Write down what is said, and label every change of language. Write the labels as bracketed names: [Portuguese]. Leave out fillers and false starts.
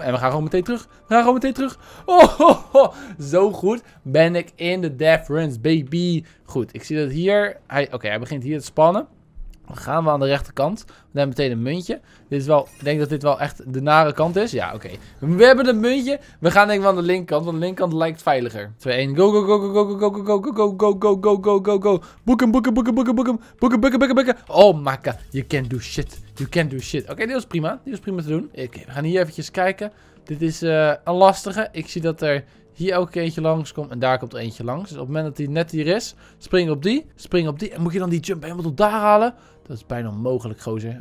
[Dutch] En we gaan gewoon meteen terug. Zo goed ben ik in de deference, baby. Goed, ik zie dat hier. Oké, hij begint hier te spannen. Dan gaan we aan de rechterkant. We hebben meteen een muntje. Dit is wel, ik denk dat dit wel echt de nare kant is. Ja, oké. Okay. We hebben een muntje. We gaan denk ik wel aan de linkerkant, want de linkerkant lijkt veiliger. 2-1. [English] Go, go, go, go, go, go, go, go, go, go, go, go, go, go, go, go, go. [Dutch] Boek hem, boek hem, boek hem, boek hem, boek hem, boek hem, boek hem, boek hem, boek hem. [English] Oh my god, you can do shit. You can do shit. [Dutch] Oké, dit was prima. Dit was prima te doen. Oké, we gaan hier eventjes kijken. Dit is een lastige. Ik zie dat er hier ook eentje langs komt en daar komt er eentje langs. Dus op het moment dat die net hier is, spring op die. Spring op die. En moet je dan die jump helemaal tot daar halen? Dat is bijna onmogelijk, gozer.